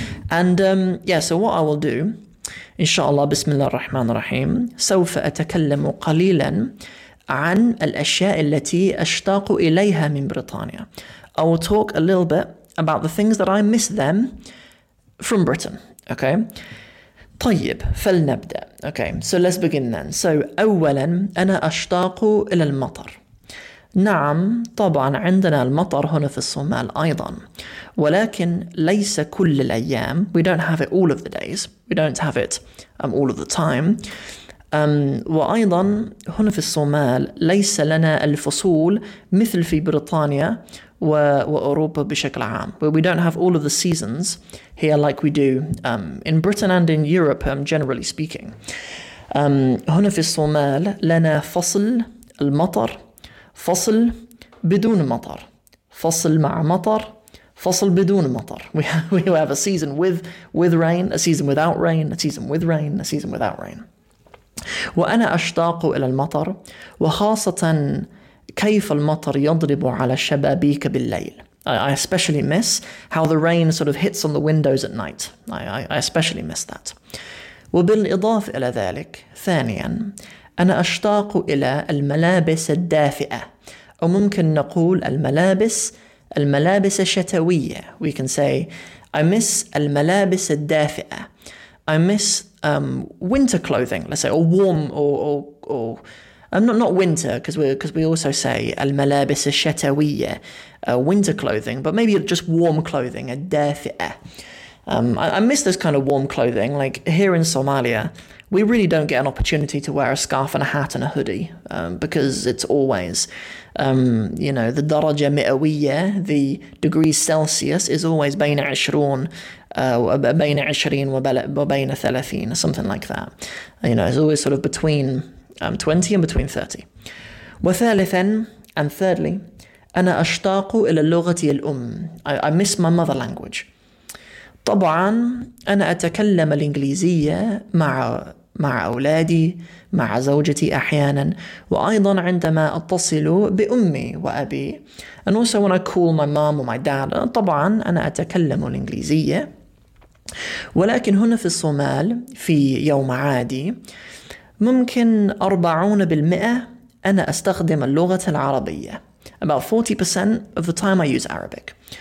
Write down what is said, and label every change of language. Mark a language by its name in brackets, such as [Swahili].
[English] And so what I will do, [Arabic] inshallah, bismillah ar-Rahman ar-Rahim, سوف أتكلم قليلا عن الأشياء التي أشتاق إليها من بريطانيا. [English] I will talk a little bit about the things that I miss them from Britain. Okay. [Arabic] طيب فلنبدأ. [English] Okay, so let's begin then. So [Arabic] أولا أنا أشتاق إلى المطر. نعم طبعا عندنا المطر هنا في الصومال أيضا. ولكن ليس كل الأيام. [English] We don't have it all of the days. We don't have it all of the time. [Arabic] وأيضا هنا في الصومال ليس لنا الفصول مثل في بريطانيا وأوروبا بشكل عام. [English] We don't have all of the seasons here like we do in Britain and in Europe, generally speaking. [Arabic] هنا في الصومال لنا فصل المطر, فصل بدون مطر, فصل مع مطر, فصل بدون مطر. [English] We have a season with rain, a season without rain, a season with rain, a season without rain. [Arabic] وأنا أشتاق إلى المطر وخاصة كيف المطر يضرب على الشبابيك بالليل. [English] I especially miss how the rain sort of hits on the windows at night. I especially miss that. [Arabic] وبالإضافة إلى ذلك ثانيا أنا أشتاق إلى الملابس الدافئة أو ممكن نقول الملابس الشتوية. [English] We can say I miss [Arabic] الملابس الدافئة. [English] I miss winter clothing, let's say, or warm, or not winter, because we also say [Arabic] الملابس الشتوية, [English] winter clothing, but maybe just warm clothing, الدافئة. I miss this kind of warm clothing. Like here in Somalia, we really don't get an opportunity to wear a scarf and a hat and a hoodie because it's always, you know, the درجة مئوية, the degrees Celsius is always [Arabic] بين عشرون. بين عشرين وبين ثلاثين, [English] something like that. You know, it's always sort of between 20 and between 30. [Arabic] وثالثا, [English] and thirdly, [Arabic] أنا أشتاق إلى لغتي الأم. [English] I miss my mother language. [Arabic] طبعا أنا أتكلم الإنجليزية مع أولادي, مع زوجتي أحيانا, وأيضا عندما أتصل بأمي وأبي. [English] And also when I call my mom or my dad, [Arabic] طبعا أنا أتكلم الإنجليزية. ولكن هنا في الصومال في يوم عادي ممكن 40% أنا أستخدم اللغة العربية. [English] About 40% of the time I use Arabic.